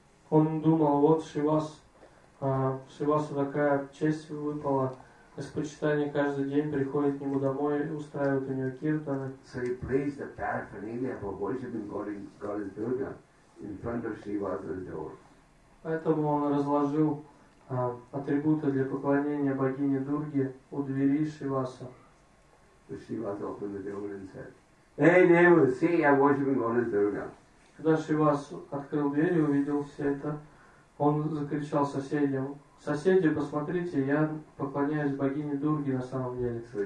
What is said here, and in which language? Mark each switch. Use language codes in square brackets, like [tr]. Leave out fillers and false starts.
[ru] Он думал, вот Шривасу такая честь выпала. Господь Читания каждый день приходит к нему домой и устраивает у него киртаны. [en] So he praised the paraphernalia for worshiping Goddess Durga in front of Shrivasu's door. [ru] Поэтому он разложил атрибуты для поклонения богине Дурге у двери Шриваса. [en] Шривас opened the door and said, "Hey neighbor, see, I'm worshiping Goddess Durga." [ru] Когда Шривас открыл дверь и увидел все это, он закричал соседям: «Соседи, посмотрите, я поклоняюсь богине Дурге на самом деле».